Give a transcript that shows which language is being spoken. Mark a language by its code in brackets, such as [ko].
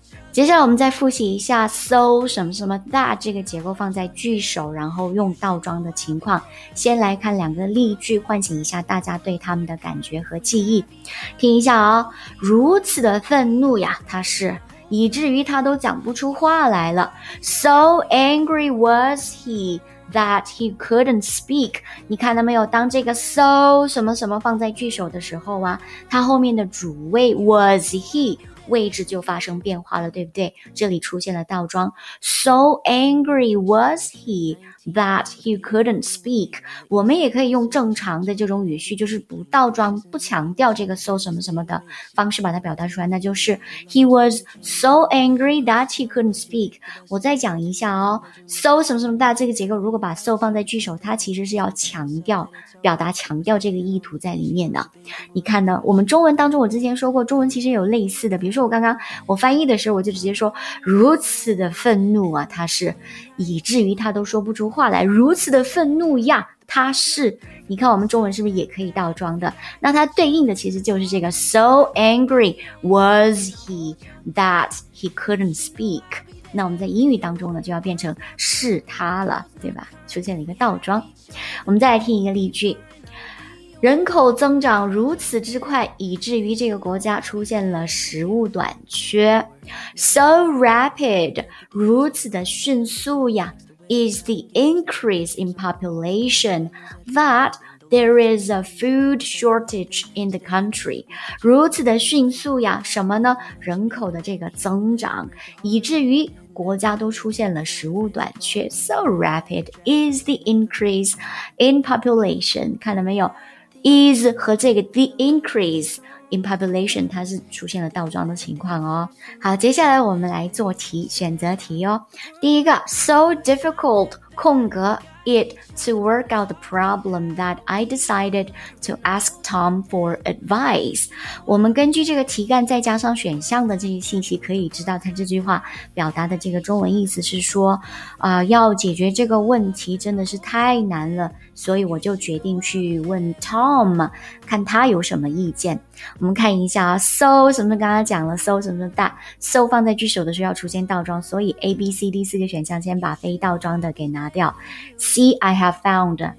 [zh] 接下来我们再复习一下 So 什么什么 that 这个结构放在句首然后用倒装的情况。先来看两个例句，唤醒一下大家对他们的感觉和记忆，听一下哦。如此的愤怒呀，他是以至于他都讲不出话来了。 [en] So angry was he that he couldn't speak。 [zh] 你看到没有，当这个 so 什么什么放在句首的时候啊，他后面的主谓 [en] was he [zh] 位置就发生变化了对不对？这里出现了倒装， [en] So angry was he that he couldn't speak。 [zh] 我们也可以用正常的这种语序，就是不倒装不强调这个 so 什么什么的方式把它表达出来，那就是 [en] He was so angry that he couldn't speak。 [zh] 我再讲一下哦， so 什么什么的这个结构如果把 so 放在句首，它其实是要强调表达强调这个意图在里面的。你看呢，我们中文当中，我之前说过中文其实有类似的，比如说我刚刚我翻译的时候我就直接说如此的愤怒啊，他是以至于他都说不出话来，如此的愤怒呀，他是，你看我们中文是不是也可以倒装的？那它对应的其实就是这个 [en] So angry was he that he couldn't speak。 [zh] 那我们在英语当中呢就要变成是他了对吧，出现了一个倒装。我们再来听一个例句，人口增长如此之快，以至于这个国家出现了食物短缺。 [en] So rapid [zh] 如此的迅速呀， [en] is the increase in population that there is a food shortage in the country。 [zh] 如此的迅速呀，什么呢？人口的这个增长以至于国家都出现了食物短缺。 [en] So rapid is the increase in population， [zh] 看到没有， is 和这个 [en] the increase in population [zh] 它是出现了倒装的情况哦。好，接下来我们来做题，选择题哦。第一个， [en] So difficult 空格 it to work out the problem that I decided to ask Tom for advice。 [zh] 我们根据这个题干再加上选项的这些信息可以知道他这句话表达的这个中文意思是说要解决这个问题真的是太难了，所以我就决定去问 Tom 看他有什么意见。我们看一下 So 什么，刚刚讲了 So 什么的 So 放在句首的时候要出现倒装，所以 ABCD 四个选项先把非倒装的给拿掉。 [en] See I have found